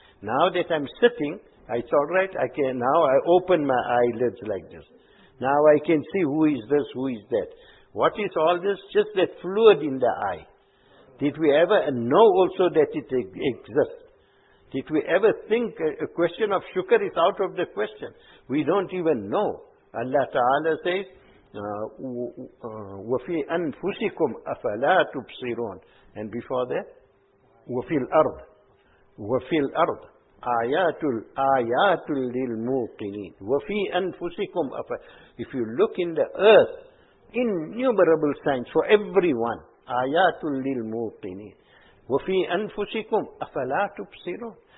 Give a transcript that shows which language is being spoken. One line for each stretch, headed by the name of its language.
English: Now that I'm sitting, it's all right. I can now I open my eyelids like this. Now I can see who is this, who is that. What is all this? Just that fluid in the eye. Did we ever know also that it exists? Did we ever think a question of shukr is out of the question? We don't even know. Allah Ta'ala says,
Arabic: وَفِي أَنفُسِكُمْ أَفَلَا تُبْصِرُونَ.
English: And before that,
Arabic: وَفِي الْأَرْضِ. وَفِي الْأَرْضِ آيَاتُ لِلْمُوقِنِينَ وَفِي أَنفُسِكُمْ أَفَلَا.
English: If you look in the earth, innumerable signs for everyone.
Arabic: آيَاتُ لِلْمُوقِنِينَ وَفِي أَنفُسِكُمْ أَفَلَا تُبْصِرُونَ.